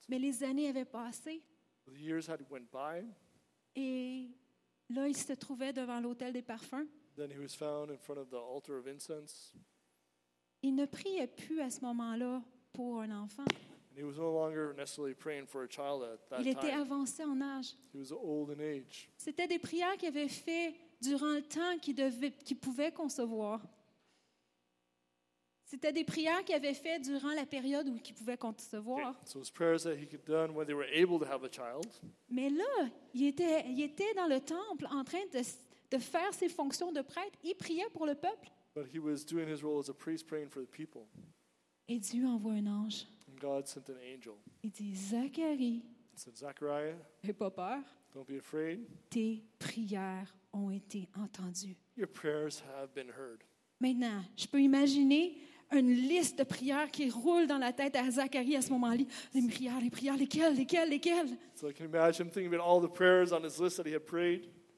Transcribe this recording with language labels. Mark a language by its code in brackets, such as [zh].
[fr] Mais les années avaient passé. [en] The years had went by. [fr] Et là, il se trouvait devant l'autel des parfums. [en] Then he was found in front of the altar of incense. [fr] Il ne priait plus à ce moment-là pour un enfant. [en] And he was no longer necessarily praying for a child at that [fr] Il était [en] time. [fr] Avancé en âge. [en] He was old in age. [fr] C'était des prières qu'il avait fait durant le temps qu'il pouvait concevoir. C'était des prières qu'il avait fait durant la période où il pouvait concevoir. [en] Okay. So it was prayers that he could do when they were able to have a child. [fr] Mais là, il était dans le temple en train de faire ses fonctions de prêtre. Il priait pour le peuple. [en] But he was doing his role as a priest praying for the people. [fr] Et Dieu envoie un ange. [en] And God sent an angel. [fr] Il dit, Zacharie. [en] He said, Zachariah. [fr] N'aie pas peur. [en] Don't be afraid. [fr] Tes prières ont été entendues. [en] Your prayers have been heard. [fr] Maintenant, je peux imaginer une liste de prières qui roule dans la tête à Zacharie à ce moment-là. Les prières, lesquelles? [en] So I can imagine him thinking about all the prayers on his list that he had prayed.